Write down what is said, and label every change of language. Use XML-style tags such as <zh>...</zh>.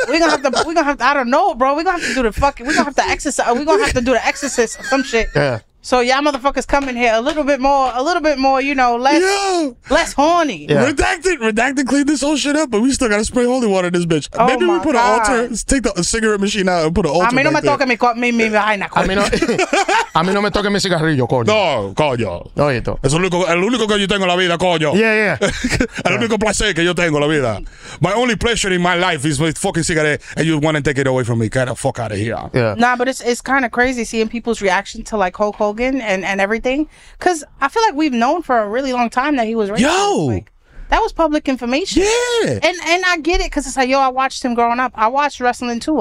<en>We're gonna have to, I don't know, bro. We're gonna have to do the exorcist or some shit. Yeah. So y'all motherfuckers come in here a little bit more, you know, less horny. Yeah. Redacted, clean this whole shit up, but we still gotta spray holy water in this bitch. Oh maybe my we put God. An altar, take the cigarette machine out and put an altar.</en> <es>A mí no me toque mi vaina, coño. A mí no me toque mi cigarrillo, coño. No, coño. Oye, tú. Es el único que yo tengo en la vida, coño.</es> <en>Yeah, yeah.</en> <es>El único placer que yo tengo en la vida.</es> <en>My only pleasure in my life is with fucking cigarette, and you want to take it away from me. Get the fuck out of here. Yeah. Nah, but it's kind of crazy seeing people's reaction to like Hulk Hogan. And everything, because I feel like we've known for a really long time that he was racist. Yo, like, that was public information. Yeah, and I get it because it's like, yo, I watched him growing up. I watched wrestling too.</en>